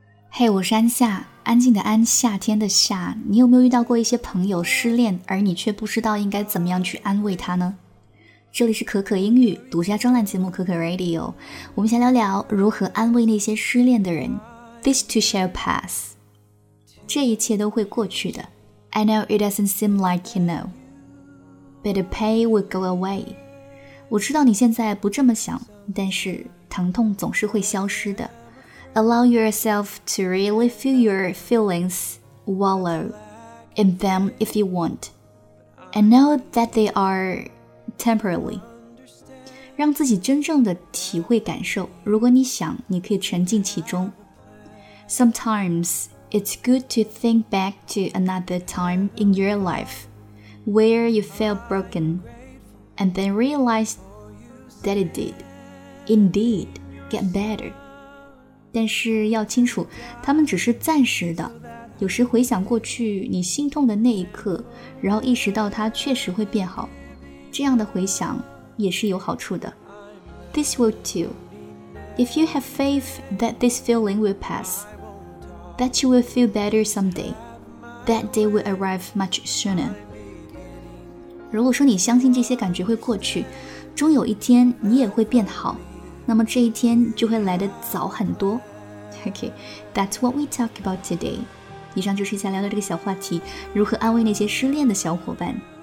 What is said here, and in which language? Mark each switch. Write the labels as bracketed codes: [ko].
[zh] 嘿、hey, 我是安夏，安静的安，夏天的夏。你有没有遇到过一些朋友失恋，而你却不知道应该怎么样去安慰他呢？这里是可可英语独家专栏节目可可 Radio， 我们先聊聊如何安慰那些失恋的人。 [en] This to shall pass， [zh] 这一切都会过去的。 [en] I know it doesn't seem like you know， But the pain will go away。 [zh] 我知道你现在不这么想，但是疼痛总是会消失的。 [en] Allow yourself to really feel your feelings, wallow in them if you want, and know that they are temporary. [zh] 让自己真正的体会感受，如果你想，你可以沉浸其中。 [en] Sometimes, it's good to think back to another time in your life where you felt broken, and then realize that it did, indeed, get better. [zh] 但是要清楚，他们只是暂时的。有时回想过去你心痛的那一刻，然后意识到它确实会变好，这样的回想也是有好处的。 [en] This will too. If you have faith that this feeling will pass, that you will feel better someday, that day will arrive much sooner. [zh] 如果说你相信这些感觉会过去，终有一天你也会变好，那么这一天就会来得早很多。 [en] Okay, that's what we talk about today. [zh] 以上就是下聊的这个小话题，如何安慰那些失恋的小伙伴。